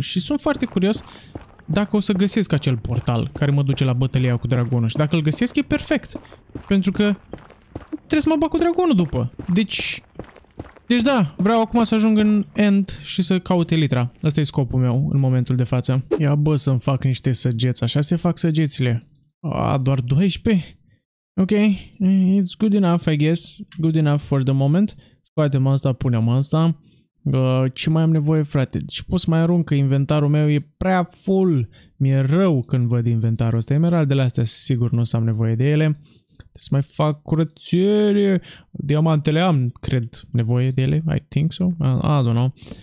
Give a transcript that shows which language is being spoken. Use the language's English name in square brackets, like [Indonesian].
[Romanian] Și sunt foarte curios dacă o să găsesc acel portal care mă duce la bătălia cu dragonul. Și dacă îl găsesc, e perfect. Pentru că trebuie să mă bag cu dragonul după. Deci da, vreau acum să ajung în End și să caut Elytra. Ăsta e scopul meu în momentul de față. Ia bă să-mi fac niște săgeți. Așa se fac săgețile. Doar 12? [English] Ok, it's good enough, I guess. Good enough for the moment. [Romanian] Scoatem asta, punem asta. Ce mai am nevoie, frate? Deci pot să mai arunc, că inventarul meu e prea full. Mi-e rău când văd inventarul ăsta. Emeraldele astea, sigur, nu o să am nevoie de ele. Trebuie să mai fac curățire. Diamantele am, cred, nevoie de ele. [English] I think so. I don't know.